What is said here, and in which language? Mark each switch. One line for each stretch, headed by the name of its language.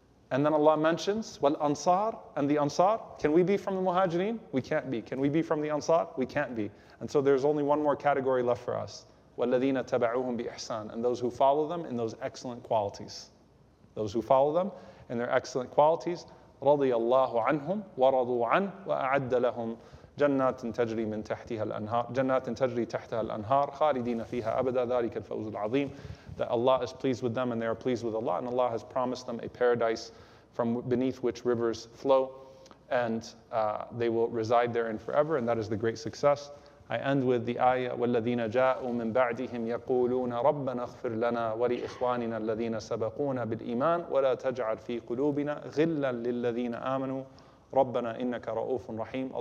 English: And then Allah mentions, والأنصار, and the Ansar, can we be from the muhajirin? We can't be. Can we be from the Ansar? We can't be. And so there's only one more category left for us.
Arabic: وَالَّذِينَ تَبَعُوهُمْ بِإِحْسَانِ,
English: and those who follow them in those excellent qualities. Those who follow them in their excellent qualities.
Arabic: رضي الله عنهم ورضوا عنه وأعد لهم جنات تجري من تحتها الأنهار جنات تجري تحتها الأنهار خالدين فيها أبدا ذلك الفوز العظيم.
English: That Allah is pleased with them and they are pleased with Allah, and Allah has promised them a paradise from beneath which rivers flow, and they will reside therein forever, and that is the great success. I end with the ayah,
Arabic: وَالَّذِينَ جَاءُوا مِنْ بَعْدِهِمْ يَقُولُونَ رَبَّنَا اغْفِرْ لَنَا وَلِإِخْوَانِنَا الَّذِينَ سَبَقُونَا بِالْإِيمَانِ وَلَا تَجْعَلْ فِي قُلُوبِنَا غِلًّا لِلَّذِينَ آمَنُوا رَبَّنَا إِنَّكَ رَؤُوفٌ رَحِيمٌ.